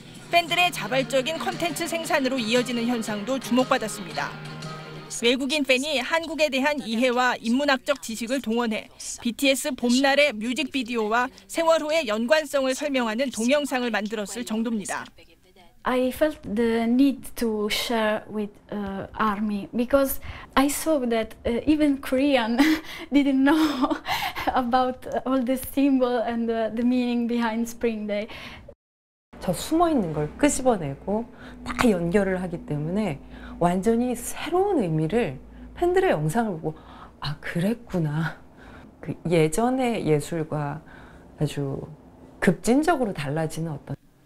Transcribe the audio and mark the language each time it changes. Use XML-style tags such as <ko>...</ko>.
<ko>팬들의 자발적인 콘텐츠 생산으로 이어지는 현상도 주목받았습니다. 외국인 팬이 한국에 대한 이해와 인문학적 지식을 동원해 BTS 봄날의 뮤직비디오와 세월 후의 연관성을 설명하는 동영상을 만들었을 정도입니다.</ko> <en>I felt the need to share with ARMY because I saw that even Korean didn't know about all the symbol and the meaning behind Spring Day.</en> <ko>저 숨어 있는 걸 끄집어내고 다 연결을 하기 때문에 완전히 새로운 의미를 팬들의 영상을 보고 아 그랬구나. 그 예전의 예술과 아주 급진적으로 달라지는 어떤</ko>